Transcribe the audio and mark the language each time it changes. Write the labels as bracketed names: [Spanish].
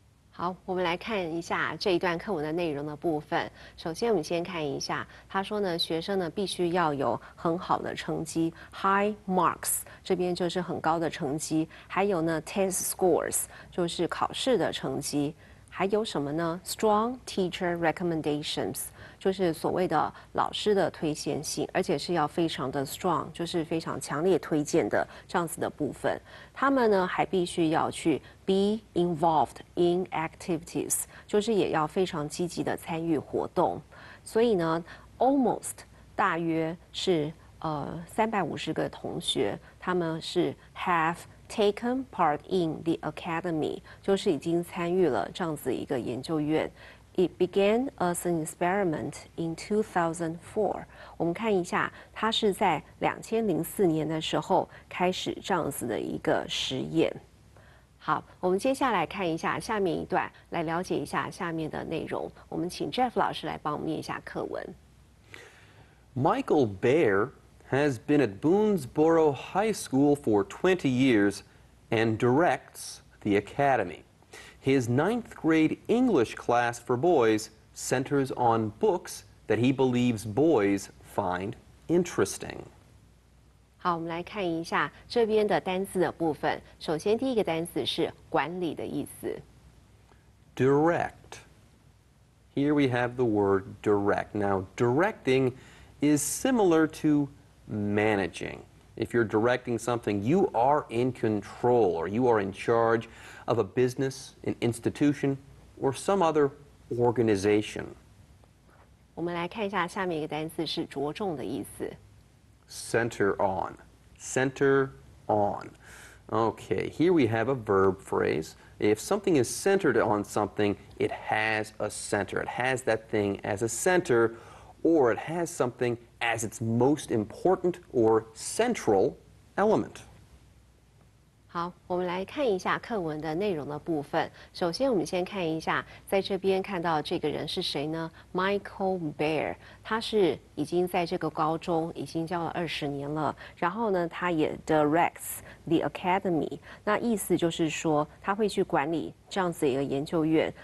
[Chinese] 好，我们来看一下这一段课文的内容的部分。首先，我们先看一下，他说呢，学生呢必须要有很好的成绩 ， [English] high marks， [Chinese] 这边就是很高的成绩。还有呢 ， [English] test scores， [Chinese] 就是考试的成绩。还有什么呢 ？ [English] Strong teacher recommendations， [Chinese] 就是所谓的老师的推荐信，而且是要非常的 strong， 就是非常强烈推荐的这样子的部分。他们呢还必须要去 [English] be involved in activities， [Chinese] 就是也要非常积极的参与活动。所以呢 ，almost 大约是350个同学，他们是 have。 [English] Taken part in the academy, [Chinese] 就是已经参与了这样子一个研究院。 [English] It began as an experiment in 2004. [Chinese] 我们看一下，它是在2004年的时候开始这样子的一个实验。好，我们接下来看一下下面一段，来了解一下下面的内容。我们请 Jeff 老师来帮我们念一下课文。 [English] Michael Bear. Has been at Boonesboro High School for 20 years and directs the academy. His ninth grade English class for boys centers on books that he believes boys find interesting. [Chinese] 好，我们来看一下这边的单字的部分。首先，第一个单字是管理的意思。 [English] Direct. Here we have the word direct. Now, directing is similar to managing. If you're directing something, you are in control or you are in charge of a business, an institution, or some other organization. [Chinese] 我们来看一下下面一个单字是着重的意思。 [English] Center on. Center on. Okay, here we have a verb phrase. If something is centered on something, it has a center. It has that thing as a center, or it has something as its most important or central element. [Chinese] 好，我们来看一下课文的内容的部分。首先，我们先看一下在这边看到这个人是谁呢 ？Michael Baer， 他是已经在这个高中已经教了20年了。然后呢，他也 [English] directs the academy， [Chinese] 那意思就是说他会去管理这样子一个研究院。